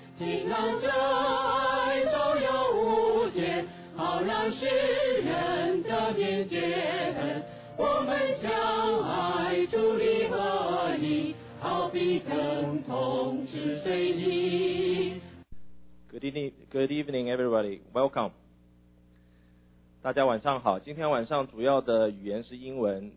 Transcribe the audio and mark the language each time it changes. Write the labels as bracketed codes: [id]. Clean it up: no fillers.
[zh] 尽然这爱照耀无界，好让世人得面见，我们相爱助力合一，好比等同之水滴。 [en] Good evening, everybody. Welcome. [zh] 大家晚上好。今天晚上主要的语言是英文。